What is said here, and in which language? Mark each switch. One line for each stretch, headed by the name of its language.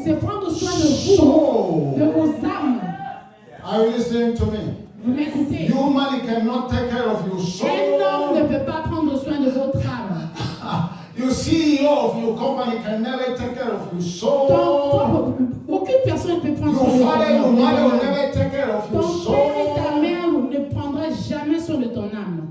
French: c'est prendre soin de vous, de vos âmes.
English: Are you listening to me?
French: Vous m'écoutez?
English: You money cannot take care of your soul.
French: Un homme ne peut pas prendre soin de votre âme.
English: Your CEO of your company can never take care of your soul.
French: Aucune personne ne peut prendre soin de votre âme.
English: Your father, your mother will never take care of your soul.
French: Ton père et ta mère ne prendra jamais soin de ton âme.